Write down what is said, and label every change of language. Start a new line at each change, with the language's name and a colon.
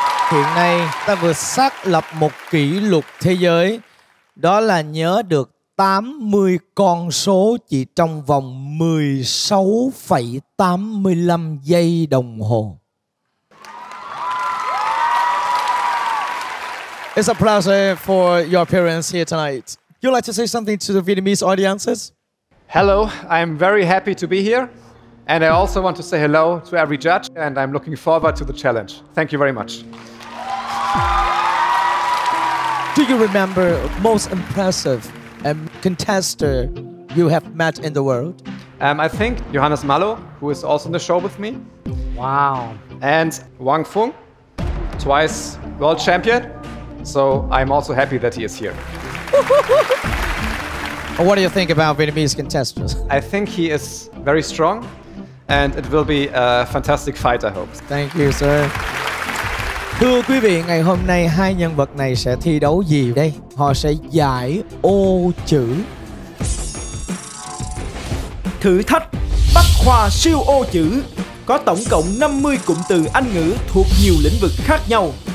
Vietnamese: Hiện nay ta vừa xác lập một kỷ lục thế giới, đó là nhớ được 80 con số chỉ trong vòng 16,85 giây đồng hồ.
English: It's a pleasure for your appearance here tonight. Would you like to say something to the Vietnamese audiences? Hello, I'm very happy to be here. And I also want to say hello to every judge, and I'm looking forward to the challenge. Thank you very much. Do you remember most impressive contestant you have met in the world? I think Johannes Malo, who is also in the show with me. Wow. And Wang Fung, twice world champion. So I'm also happy that he is here. What do you think about Vietnamese contestants? I think he is very strong, and it will be a fantastic fight, I hope. Thank you, sir.
Vietnamese: Thưa quý vị, ngày hôm nay hai nhân vật này sẽ thi đấu gì đây? Họ sẽ giải ô chữ. Thử thách Bách Khoa siêu ô chữ có tổng cộng 50 cụm từ Anh ngữ thuộc nhiều lĩnh vực khác nhau.